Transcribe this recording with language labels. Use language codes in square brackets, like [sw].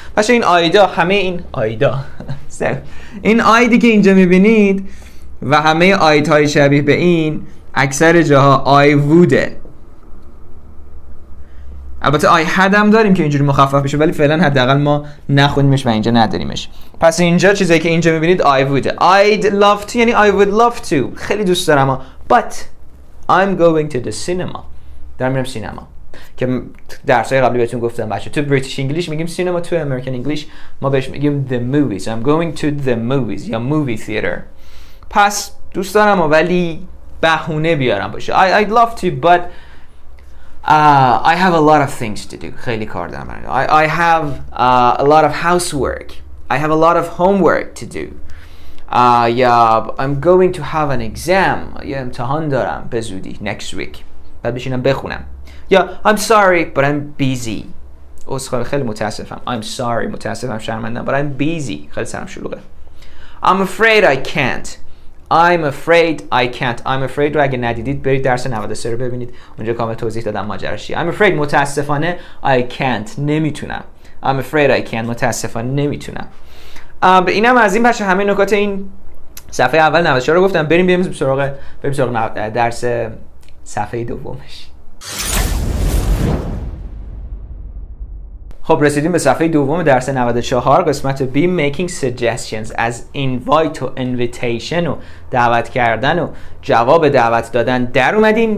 [fa] بچه این آیدا، همه این آیدا این آیدی که اینجا میبینید و همه آید های شبیه به این، اکثر جاها [en] I would- [fa] ه. البته آی هد هم داریم که اینجوری مخفف بشه، ولی فعلا حداقل ما نخوندیمش و اینجا نداریمش. پس اینجا چیزی که اینجا میبینید [en] I would. I'd love to یعنی I would love to، [fa] خیلی دوست دارم. [en] But I'm going to the cinema. [fa] دارم میرم سینما، که درسای قبلی بهتون گفتم بچه. تو بریتیش انگلیش میگیم سینما، تو امریکن انگلیش ما بهش میگیم [en] the movies. I'm going to the movies یا movie theater. [fa] پس دوست دارم ولی بهونه بیارم باشه. [en] I'd love to but I have a lot of things to do. [fa] خیلی کار دارم. [en] I have a lot of housework. I have a lot of homework to do. I'm going to have an exam. [fa] یه امتحان دارم به زودی. [en] Next week. [fa] بعد بشینم بخونم. [en] Yeah, I'm sorry, but I'm busy. [fa] عذرخواهی، خیلی متاسفم. [en] I'm sorry. [fa] متاسفم، شرمندم. [en] But I'm busy. [fa] خیلی سرم شلوغه. [en] I'm afraid I can't. I'm afraid I can't. I'm afraid [fa] رو اگه ندیدید برید درس 93 رو ببینید، اونجا کامل توضیح دادم ماجراش چیه. I'm afraid متاسفانه. [en] I can't [fa] نمیتونم. [en] I'm afraid I can't [fa] متاسفانه نمیتونم. اینم از این بچه همه نکات این صفحه اول 94 رو گفتم. بریم بیایم سراغ درس صفحه دومش. خب رسیدیم به صفحه دوم درس 94، قسمت B، making suggestions، از invite و invitation و دعوت کردن و جواب دعوت دادن در اومدیم.